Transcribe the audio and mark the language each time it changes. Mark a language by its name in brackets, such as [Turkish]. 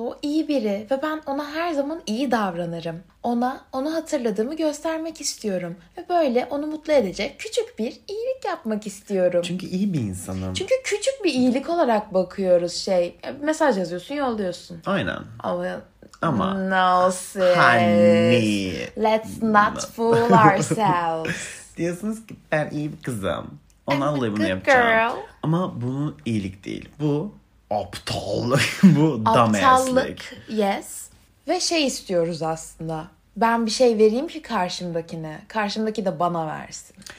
[Turkish] O iyi biri ve ben ona her zaman iyi davranırım. Ona onu hatırladığımı göstermek istiyorum. Ve böyle onu mutlu edecek küçük bir iyilik yapmak istiyorum. Çünkü iyi bir insanım. Çünkü küçük bir iyilik olarak bakıyoruz şey. Mesaj yazıyorsun, yolluyorsun. Aynen. Ama [English] no sis. Honey. Let's not fool ourselves. [Turkish] Diyorsunuz ki ben iyi bir kızım. Ona alayım bunu yapacağım. [English] Girl. [Turkish] Ama bunu iyilik değil. Bu aptallık. Bu dumbasslık. [English] Yes. [Turkish] Ve şey istiyoruz aslında. Ben bir şey vereyim ki karşımdakine. Karşımdaki de bana versin.